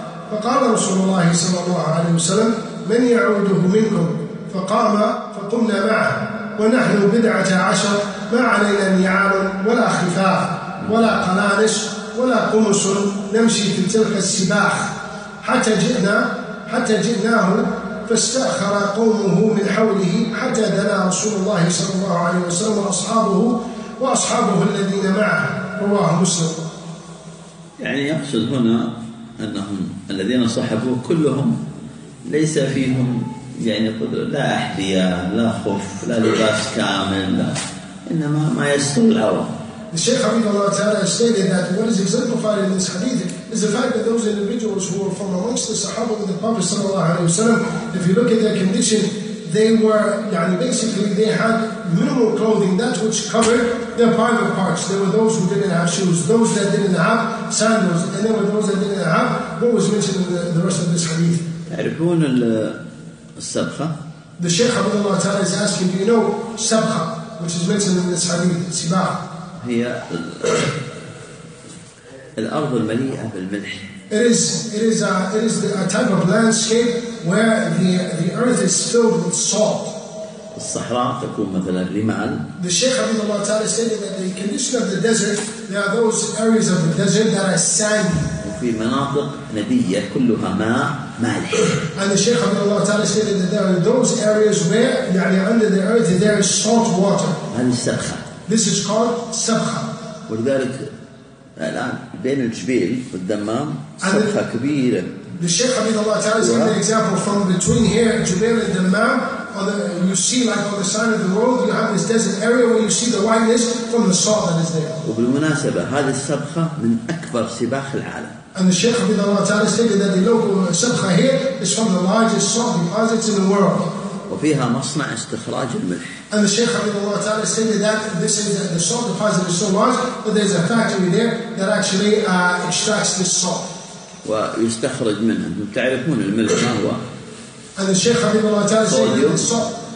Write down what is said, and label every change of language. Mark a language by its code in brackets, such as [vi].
[ar] فقال رسول الله صلى الله عليه وسلم من يعوده منكم فقام فقمنا معه ونحن بضعة عشر ما علينا نعال ولا خفاف ولا قلانس ولا قمص نمشي في تلك السباخ حتى جئناه فاستأخر قومه من حوله حتى دنا رسول الله صلى الله عليه وسلم وأصحابه الذين معه رواه مسلم. يعني يقصد هنا أنهم الذين صحبوه كلهم ليس فيهم يعني قدر لا أحذية لا خف لا لباس كامل لا. إنما ما يستر الهوى. الشيخ حفظه الله تعالى [en] stated that what is exemplified in this hadith is the fact that those individuals who were from amongst the Sahaba with the Prophet صلى الله عليه وسلم, if you look at their condition, they were يعني basically they had minimal clothing, that which covered their private parts. There were those who didn't have shoes, those that didn't have sandals, and there were those that didn't have what was mentioned in the rest of this hadith. [ar] تعرفون السبخة؟ [en] The Shaykh حفظه الله تعالى is asking, do you know سبخة, which is mentioned in this hadith, سباح؟ [ar] هي الأرض المليئة بالملح. [en] It is a type of landscape where the earth is filled with salt. [ar] الصحراء تكون مثلا رمال. [en] The Shaykh حفظه الله تعالى said that the condition of the desert, there are those areas of the desert that are sandy. [ar] وفي مناطق ندية كلها ماء مالح. [en] And the Shaykh حفظه الله تعالى said that there are those areas where يعني under the earth there is salt water. [ar] هذه السبخة. [en] This is called سبخة. [ar] ولذلك الآن بين الجبيل والدمام سبخة كبيرة. [en] The Shaykh حفظه الله تعالى is giving an example from between here, Jubail and Dammam. You see, like on the side of the road, you have this desert area where you see the whiteness from the salt that is there. [ar] وبالمناسبة هذه السبخة من أكبر سباخ العالم. [en] And the Shaykh حفظه الله تعالى stated that the local سبخة here is from the largest salt deposits in the world. [ar] وفيها مصنع استخراج الملح. [en] And the Shaykh حفظه الله تعالى stated that this is that the salt deposit is so large that there's a factory there that actually extracts this salt. [ar] ويستخرج منها. أنتم تعرفون الملح ما هو؟ [en] And the Shaykh حفظه الله تعالى stated that the salt.